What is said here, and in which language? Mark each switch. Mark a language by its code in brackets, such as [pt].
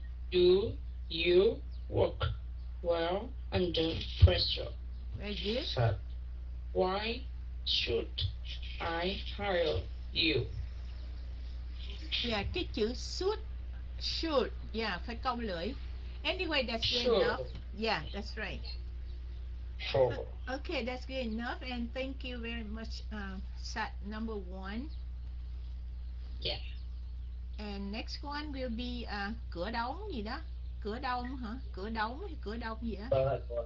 [en] Do you work well under pressure? Very good. Sir. Why should I hire you? [vi] Yeah, cái chữ should, yeah, phải cong lưỡi. [en] Anyway, that's good enough. Yeah, that's right. Okay, that's good enough, and thank you very much, set number one. Yeah. And next one will be [vi] cửa đóng gì đó. Cửa đóng hả? Cửa đóng hay cửa đóng gì đó?